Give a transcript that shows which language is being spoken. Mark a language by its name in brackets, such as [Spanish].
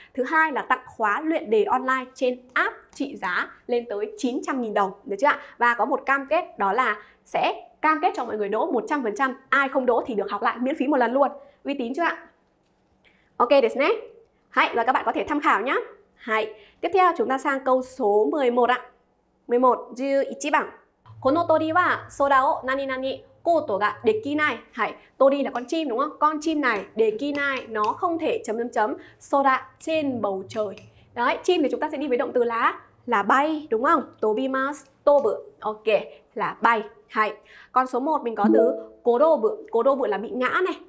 [Vietnamese] Thứ hai là tặng khóa luyện đề online trên app trị giá lên tới 900.000 đồng, được chưa ạ? Và có một cam kết đó là sẽ cam kết cho mọi người đỗ 100%, ai không đỗ thì được học lại miễn phí một lần luôn. Uy tín chưa ạ? Ok, desu ne. Hãy, và các bạn có thể tham khảo nhé. Hãy, tiếp theo chúng ta sang câu số 11 ạ. [Japanese] 11, 11 番. この鳥は空を何々コートができない。 [Vietnamese] Hãy, tori là con chim đúng không? Con chim này, できない, nó không thể ... Sora, trên bầu trời. Đấy, chim thì chúng ta sẽ đi với động từ lá. Là bay, đúng không? Tobimasu, tobu. Ok, là bay. Hãy, con số 1 mình có từ korobu. Korobu là bị ngã này.